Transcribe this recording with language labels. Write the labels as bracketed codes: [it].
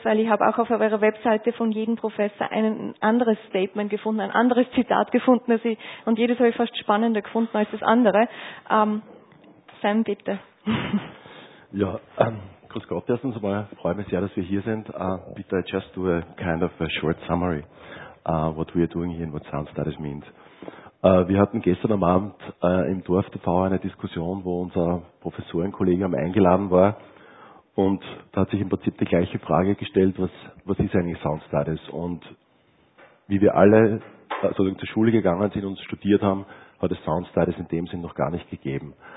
[de] Weil ich habe auch auf eurer Webseite von jedem Professor ein anderes Statement gefunden, ein anderes Zitat gefunden. Und jedes habe ich fast spannender gefunden als das andere. Sam, bitte. Ja, grüß Gott. Erstens einmal freue mich sehr, dass wir hier sind. Bitte, [en] I just do a kind of a short summary what we are doing here and what Sound Studies means. [de] Wir hatten gestern am Abend im Dorf TV eine Diskussion, wo unser Professorenkollegium eingeladen war. Und da hat sich im Prinzip die gleiche Frage gestellt, was ist eigentlich Sound Studies? Und wie wir alle sozusagen zur Schule gegangen sind und studiert haben, hat es Sound Studies in dem Sinn noch gar nicht gegeben.